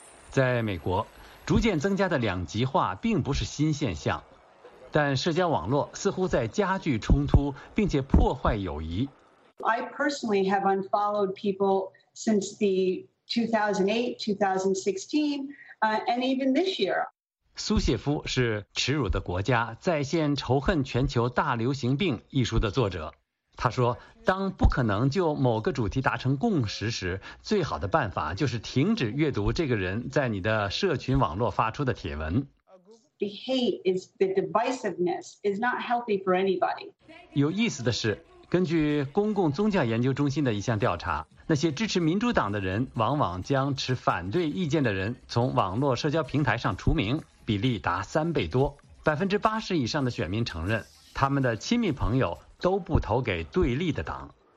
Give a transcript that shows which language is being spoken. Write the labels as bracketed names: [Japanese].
[Chinese] 在美国，逐渐增加的两极化并不是新现象，但社交网络似乎在加剧冲突，并且破坏友谊。 [English] I personally have unfollowed people since the 2008, 2016, and even this year. [Chinese] 苏谢夫是《耻辱的国家：在线仇恨全球大流行病》一书的作者，他说，当不可能就某个主题达成共识时，最好的办法就是停止阅读这个人在你的社群网络发出的帖文。 [English] The hate is the divisiveness is not healthy for anybody. [Chinese] 有意思的是，根据公共宗教研究中心的一项调查，那些支持民主党的人往往将持反对意见的人从网络社交平台上除名，比例达三倍多。 80%以上的选民承认，他们的亲密朋友都不投给对立的党。